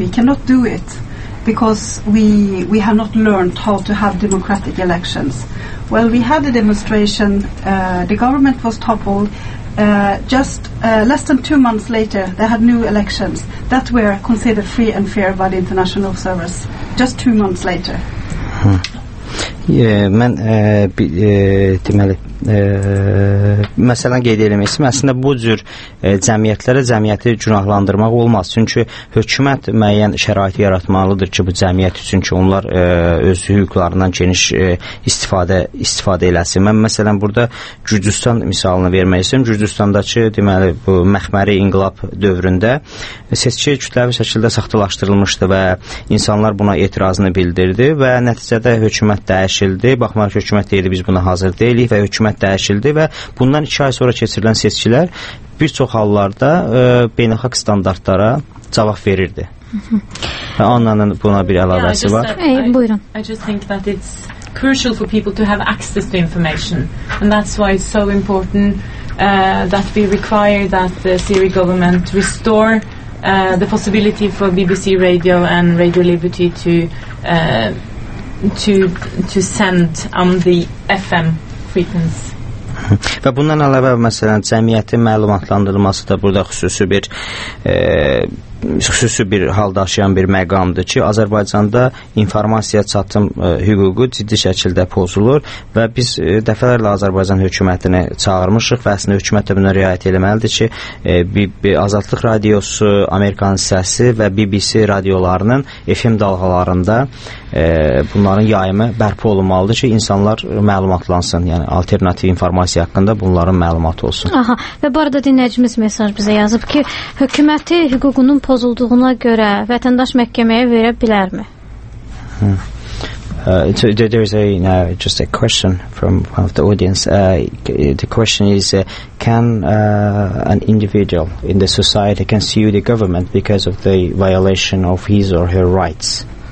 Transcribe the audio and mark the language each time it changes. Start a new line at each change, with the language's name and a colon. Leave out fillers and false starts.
English: We cannot do it because we have not learned how to have democratic elections." Well, we had a demonstration. The government was toppled. Less than 2 months later, they had new elections that were considered free and fair by the international observers. Just 2 months later.
Azerbaijani: Mən deməli məsələn qeyd eləmək istəyirəm. Əslində bu cür cəmiyyəti günahlandırmaq olmaz. Çünki hökumət müəyyən şərait yaratmalıdır ki, bu cəmiyyət üçün ki, onlar öz hüquqlarından geniş istifadə eləsin. Mən məsələn burada Gürcüstan misalını vermək istəyirəm. Gürcüstandakı deməli bu məxməri inqilab dövründə seçki kütləvi şəkildə saxtalaşdırılmışdı və insanlar buna etirazını bildirdi və nəticədə hökumət dəyişildi. Baxmayaraq hökumət deyildi, biz buna hazır deyilik və hökumət dəyişildi və bundan 2 ay sonra keçirilən seçkilər bir çox hallarda beynəlxalq standartlara cavab verirdi. Və Anna'nın buna bir əlavəsi var. Buyurun.
English: I just think that it's crucial for people to have access to information and that's why it's so important that we require that the Syri government restore the possibility for BBC Radio and Radio Liberty to send on the FM frequency.
Azerbaijani: Və bundan əlavə, məsələn, cəmiyyətin məlumatlandırılması da burada xüsusi bir hal daşıyan bir məqamdır ki, Azərbaycanda informasiya çatım hüququ ciddi şəkildə pozulur və biz dəfələrlə Azərbaycan hökumətini çağırmışıq və əslində hökumət də buna riayət eləməlidir ki, Azadlıq Radiosu, Amerikan Səsi və BBC radiolarının FM dalğalarında bunların yayımı bərpa olunmalıdır ki, insanlar məlumatlansın, yəni alternativ informasiya haqqında bunların məlumatı olsun. Aha, və bu arada dinləyicimiz mesaj bizə yazıb ki, hökuməti hüququnun pozulduğuna görə vətəndaş məhkəməyə verə bilərmi?
English: There is a question from one of the audience. The question is, can an individual in the society can sue the government because of the violation of his or her rights?